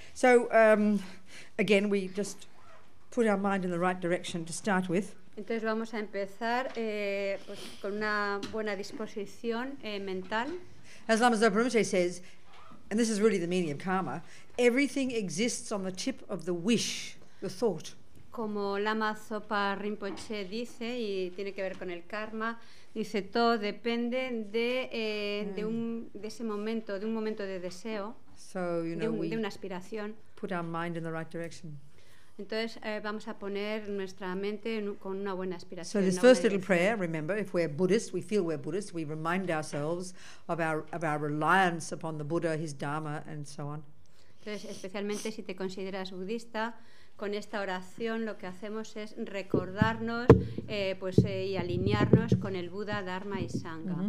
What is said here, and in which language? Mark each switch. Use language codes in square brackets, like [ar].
[en] So again, we just put our mind in the right direction to start with. [es] Entonces vamos a empezar pues con una buena disposición mental. [en] As Lama Zopa Rinpoche says, and this is really the meaning of karma, everything exists on the tip of the wish, the thought. [es] Como Lama Zopa Rinpoche dice, y tiene que ver con el karma, dice, todo depende de un momento de deseo, [en] so, you know, [es] de una aspiración. [en] Put our mind in the right direction. [es] Entonces vamos a poner nuestra mente con una buena aspiración. [en] So this first little prayer, remember, if we're Buddhist, we feel we're Buddhist, we remind ourselves of our reliance upon the Buddha, his Dharma, and so on. [es] Entonces, especialmente si te consideras budista, con esta oración lo que hacemos es recordarnos y alinearnos con el Buddha, Dharma y Sangha.